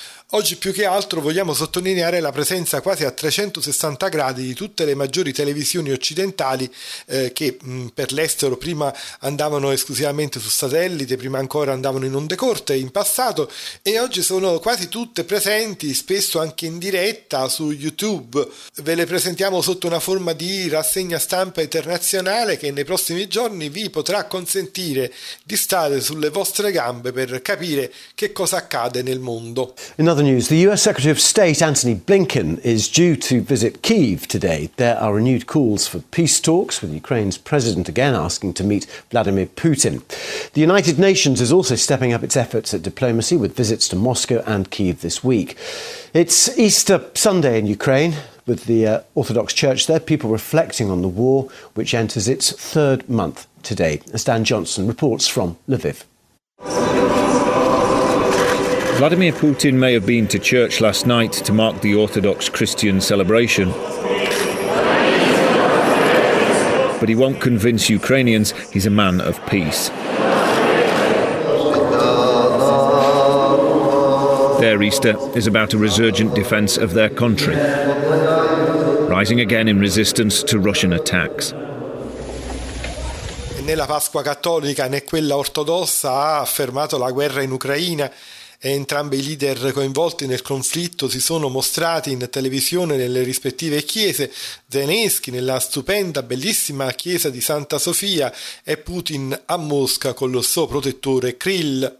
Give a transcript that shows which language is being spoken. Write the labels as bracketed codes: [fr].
[it] Oggi più che altro vogliamo sottolineare la presenza quasi a 360 gradi di tutte le maggiori televisioni occidentali che per l'estero prima andavano esclusivamente su satellite, prima ancora andavano in onde corte in passato, e oggi sono quasi tutte presenti, spesso anche in diretta su YouTube. Ve le presentiamo sotto una forma di rassegna stampa internazionale che nei prossimi giorni vi potrà consentire di stare sulle vostre gambe per capire che cosa accade nel mondo. [en] other news, the US Secretary of State Antony Blinken is due to visit Kyiv today. There are renewed calls for peace talks, with Ukraine's president again asking to meet Vladimir Putin. The United Nations is also stepping up its efforts at diplomacy with visits to Moscow and Kyiv this week. It's Easter Sunday in Ukraine, with the Orthodox Church there, people reflecting on the war, which enters its third month today. As Dan Johnson reports from Lviv. Vladimir Putin may have been to church last night to mark the Orthodox Christian celebration. But he won't convince Ukrainians he's a man of peace. Their Easter is about a resurgent defence of their country, rising again in resistance to Russian attacks. [it] Né la Pasqua cattolica né quella ortodossa ha affermato la guerra in Ucraina. E entrambi i leader coinvolti nel conflitto si sono mostrati in televisione nelle rispettive chiese, Zelensky nella stupenda, bellissima chiesa di Santa Sofia e Putin a Mosca con lo suo protettore Kirill.